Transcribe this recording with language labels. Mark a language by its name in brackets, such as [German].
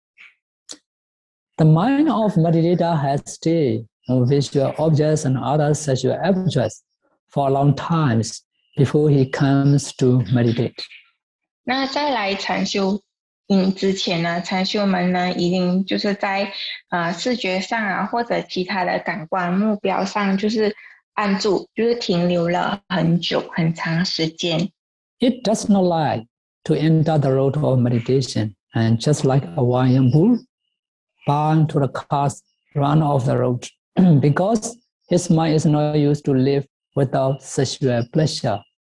[Chinese] 所以这个说明了，就是适合禅修者们休息正念的一个地方。 [English] The mind of meditator has stayed on visual objects and other sensual objects for long times before he comes to meditate. [Chinese] 那再来禅修之前呢，禅修们呢，已经就是在视觉上啊，或者其他的感官目标上，就是安住，就是停留了很久很长时间。 [English] It does not like to enter the road of meditation, and just like a wild bull, bound to the cart, run off the road, because his mind is not used to live without sexual pleasure.